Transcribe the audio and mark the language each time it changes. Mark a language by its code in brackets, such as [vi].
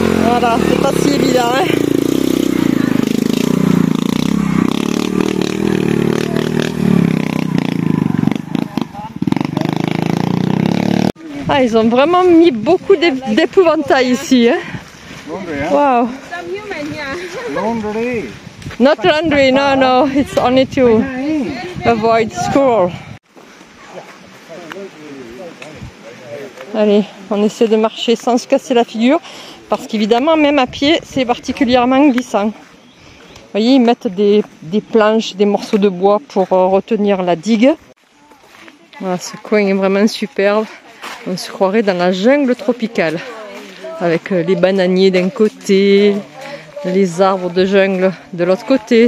[fr] Voilà, c'est pas si évident, hein. Ah, ils ont vraiment mis beaucoup d'épouvantails ici, hein. Wow. [en] Not laundry, no, it's only to avoid squirrel. [fr] Allez, on essaie de marcher sans se casser la figure, parce qu'évidemment, même à pied, c'est particulièrement glissant. Vous voyez, ils mettent des planches, des morceaux de bois pour retenir la digue. Voilà, ce coin est vraiment superbe. On se croirait dans la jungle tropicale, avec les bananiers d'un côté, les arbres de jungle de l'autre côté.